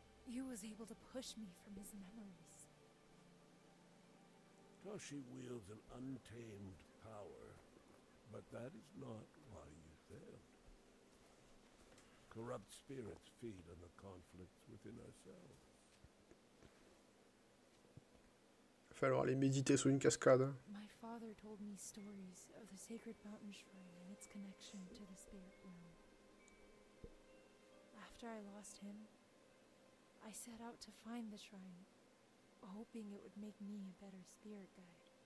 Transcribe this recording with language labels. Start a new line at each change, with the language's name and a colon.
English: You was able to push me from his memories. Toshi wields an untamed power, but that is not why you failed. Corrupt spirits feed on the conflicts within ourselves.
French: Il va falloir aller méditer sous une cascade.
English: My father told me stories of the sacred mountain shrine and its connection to the spirit realm. After I lost him, I set out to find the shrine, hoping it would make me a better spirit guide.